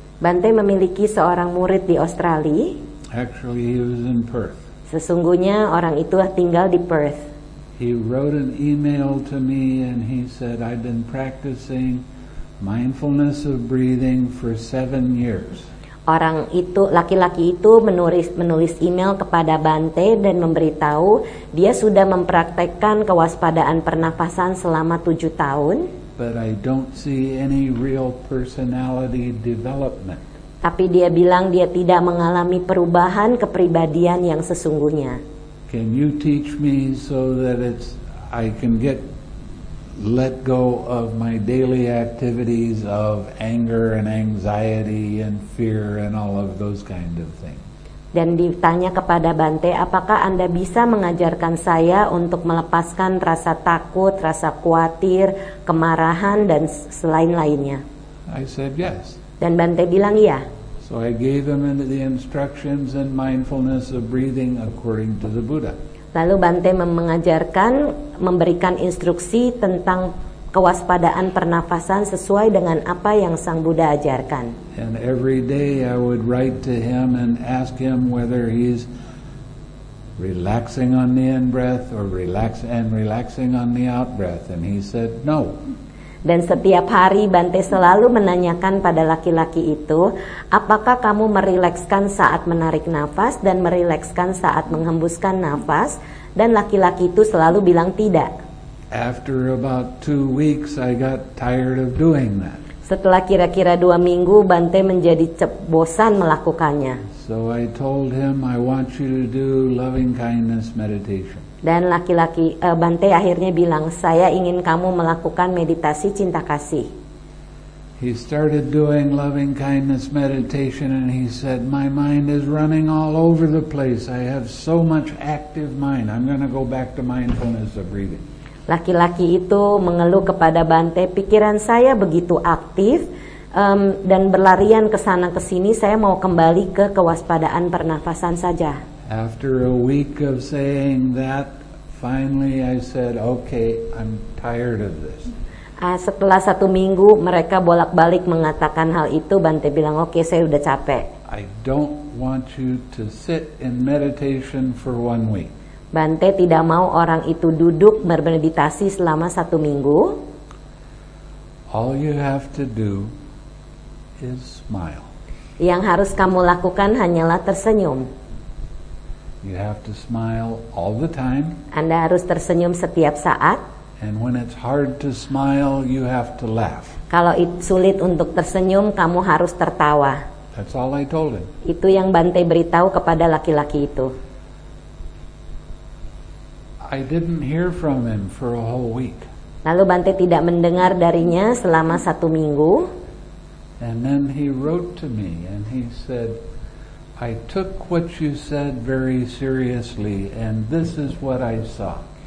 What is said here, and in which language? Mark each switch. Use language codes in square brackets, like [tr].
[id] Bante memiliki seorang murid di Australia. [en] Actually, he was in Perth. [id] Sesungguhnya orang itu tinggal di Perth. [en] He wrote an email to me and he said, I've been practicing mindfulness of breathing for 7 years. [id] Orang itu, laki-laki itu menulis email kepada Bante dan memberitahu dia sudah mempraktekkan kewaspadaan pernafasan selama 7 tahun. [en] But I don't see any real personality development. [id] Tapi dia bilang dia tidak mengalami perubahan kepribadian yang sesungguhnya. [en] Can you teach me so that it's I can get let go of my daily activities of anger and anxiety and fear and all of those kind of things. [id] Dan ditanya kepada Bante, apakah Anda bisa mengajarkan saya untuk melepaskan rasa takut, rasa khawatir, kemarahan dan selain lainnya? [en] I said yes. [id] Dan Bante bilang iya. [en] So I gave him the instructions and mindfulness of breathing according to the Buddha. [id] Lalu Bante memberikan instruksi tentang kewaspadaan pernafasan sesuai dengan apa yang Sang Buddha ajarkan. [en] And every day I would write to him and ask him whether he's relaxing on the in-breath or relaxing on the out-breath. And he said no. [id] Dan setiap hari Bante selalu menanyakan pada laki-laki itu, apakah kamu merilekskan saat menarik nafas dan merilekskan saat menghembuskan nafas? Dan laki-laki itu selalu bilang tidak. [en] After about 2 weeks, I got tired of doing that. [id] Setelah kira-kira 2 minggu, Bante menjadi bosan melakukannya. [en] So I told him, I want you to do loving kindness meditation. [id] Dan laki-laki Bante akhirnya bilang, saya ingin kamu melakukan meditasi cinta kasih. [en] He started doing loving kindness meditation and he said, my mind is running all over the place. I have so much active mind. I'm going to go back to mindfulness of breathing. [id] Laki-laki itu mengeluh kepada Bante, pikiran saya begitu aktif dan berlarian ke sana ke sini, saya mau kembali ke kewaspadaan pernafasan saja. [en] After a week of saying that, finally I said, okay, I'm tired of this. [id] Setelah satu minggu mereka bolak-balik mengatakan hal itu, Bante bilang, okay, saya udah capek. [en] I don't want you to sit in meditation for one week. [id] Bante tidak mau orang itu duduk bermeditasi selama satu minggu. [en] All you have to do is smile. [id] Yang harus kamu lakukan hanyalah tersenyum. [en] You have to smile all the time. [id] Anda harus tersenyum setiap saat. [en] And when it's hard to smile, you have to laugh. [id] Kalau sulit untuk tersenyum, kamu harus tertawa. [en] That's all I told him. [id] Itu yang Bante beritahu kepada laki-laki itu. [en] I didn't hear from him for a whole week. [id] Lalu Bante tidak mendengar darinya selama satu minggu. [en] And then he wrote to me and he said, I took what you said very seriously and this is what I saw.